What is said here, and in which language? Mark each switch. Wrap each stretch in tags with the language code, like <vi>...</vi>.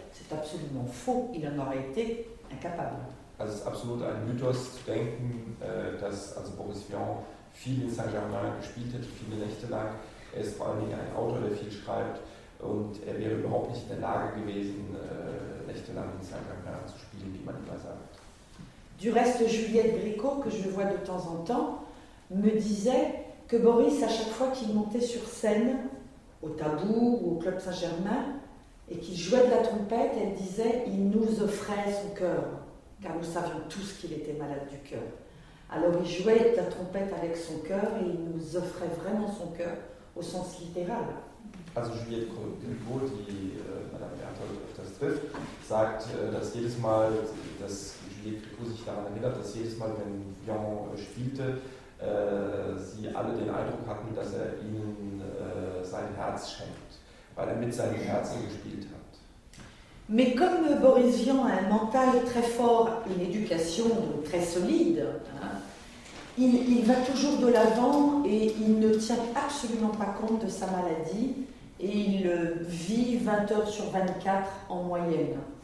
<fr>C'est absolument faux, il en aurait été incapable.</fr> <de>Also es ist absolut ein Mythos zu denken, dass also Boris Vian viel in Saint-Germain gespielt hätte, viele Nächte lang. Er ist vor allen Dingen ein Autor, der viel schreibt, und er wäre überhaupt nicht in der Lage gewesen, Nächte lang in Saint-Germain zu spielen, wie man immer sagt.</de> <fr>Du reste, Juliette Bricot, que je vois de temps en temps, me disait que Boris, à chaque fois qu'il montait sur scène, au Tabou ou au Club Saint-Germain, et qu'il jouait de la trompette, elle disait « il nous offrait son cœur ». Car nous savions tous qu'il était malade du cœur. Alors il jouait la trompette avec son cœur et il nous offrait vraiment son cœur au sens littéral.</fr> <de>Also Juliette Grimbaud, die Madame Berthold öfters trifft, sagt, dass jedes Mal, dass Juliette Grimbaud sich daran erinnert, dass jedes Mal, wenn Vian spielte, sie alle den Eindruck hatten, dass er ihnen sein Herz schenkt, weil er mit seinem Herzen gespielt hat.</de> <fr>Mais comme Boris Vian a un mental très fort, une éducation très solide, hein, il va toujours de l'avant et il ne tient absolument pas compte de sa maladie et il vit 20 heures sur 24 en moyenne.</fr>